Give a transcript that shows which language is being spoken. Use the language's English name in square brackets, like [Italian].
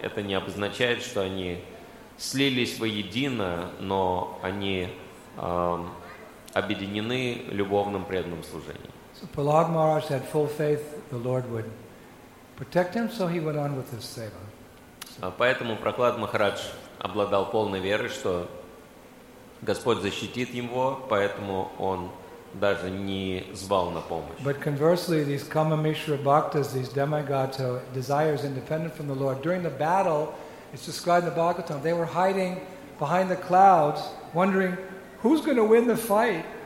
[Russian] Это не обозначает, что они слились воедино, но они объединены любовным преданным служением. [English] So Prahlad Maharaj had full faith the Lord would protect him, so he went on with his seva. [Russian] Поэтому Прохлад Махарадж обладал полной верой, что Господь защитит его, поэтому он даже не звал на помощь. [English] But conversely, these Kama Mishra Bhaktas, these demigods, desires independent from the Lord, during the battle, it's described in the Bhagavatam, they were hiding behind the clouds, wondering, who's going to win the fight?